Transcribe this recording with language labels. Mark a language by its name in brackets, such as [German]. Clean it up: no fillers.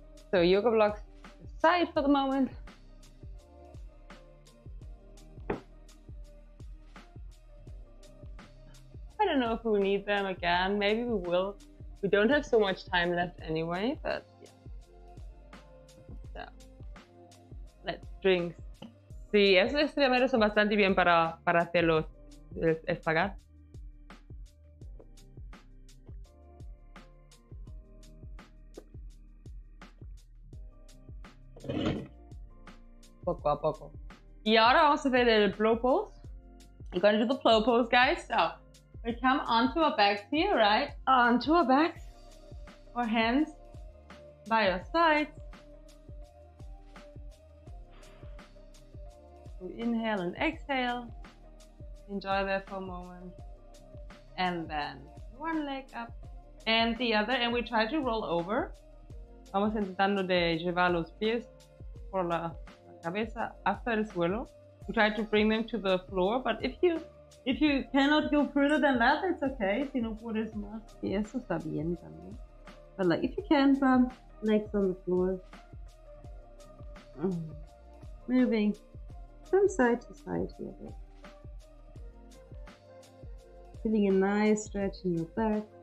[English] So yoga blocks aside for the moment. I don't know if we need them again. Maybe we will. We don't have so much time left anyway, but yeah. So let's drink. [Spanish] Sí, esos streamers son bastante bien para hacerlos es pagar. Poco a poco. Y ahora vamos a hacer el plow pose. [English] I'm going to do the plow pose, guys. So, we come onto our backs here, right? Onto our backs. Our hands by our sides. Inhale and exhale, enjoy that for a moment, and then one leg up and the other, and we try to roll over. [Spanish] Vamos intentando de llevar los pies por la cabeza hasta el suelo. [English] We try to bring them to the floor, but if you cannot go further than that, it's okay. [Spanish] Si no puedes más, y eso está bien también. [English] But like, if you can, legs on the floor, moving from side to side here, bit. Feeling a nice stretch in your back.